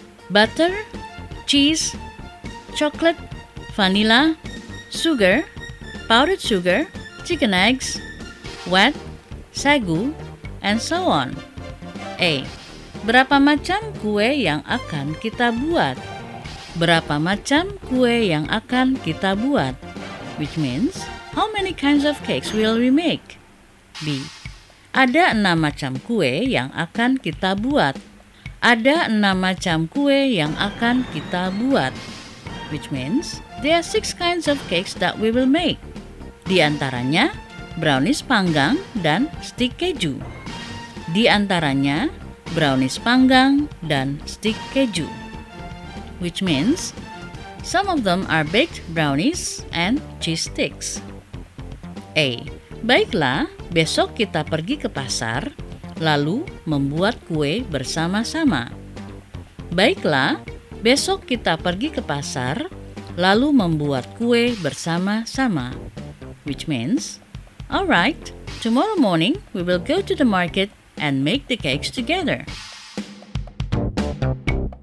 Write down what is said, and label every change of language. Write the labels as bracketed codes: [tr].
[en] Butter, cheese, chocolate, vanila, sugar, powdered sugar, chicken eggs, wheat, sagu, and so on. A. [id] Berapa macam kue yang akan kita buat? Berapa macam kue yang akan kita buat? [en] Which means, how many kinds of cakes will we make? B. [id] Ada 6 macam kue yang akan kita buat. Ada 6 macam kue yang akan kita buat. [en] Which means, there are 6 kinds of cakes that we will make. [id] Di antaranya, brownies panggang dan stick keju. Di antaranya, brownies panggang dan stick keju. [en] Which means, some of them are baked brownies and cheese sticks. A. [id] Baiklah, besok kita pergi ke pasar, lalu membuat kue bersama-sama. Baiklah, besok kita pergi ke pasar, lalu membuat kue bersama-sama. [en] Which means, alright, tomorrow morning we will go to the market and make the cakes together. Thank you.